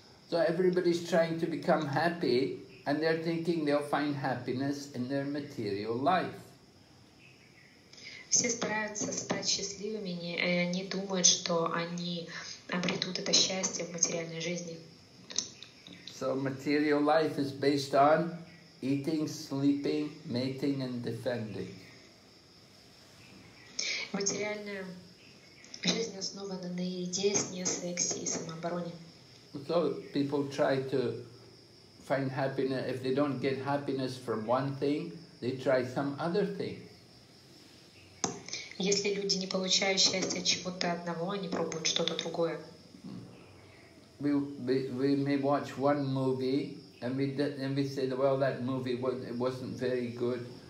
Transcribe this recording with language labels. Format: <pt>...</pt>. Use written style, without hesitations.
<en>So everybody's trying to become happy, and they're thinking they'll find happiness in their material life.</en> <ru>Все стараются стать счастливыми, и они думают, что они обретут это счастье в материальной жизни.</ru> <en>So material life is based on eating, sleeping, mating, and defending.</en> <ru>Материальная жизнь основана на еде, сне, сексе и самообороне.</ru> <en>So people try to find happiness. If they don't get happiness from one thing, they try some other thing.</en> <ru>Если люди не получают счастья от чего-то одного, они пробуют что-то другое.</ru> <en>We may watch one movie and we say, well, that movie wasn't very good.</en>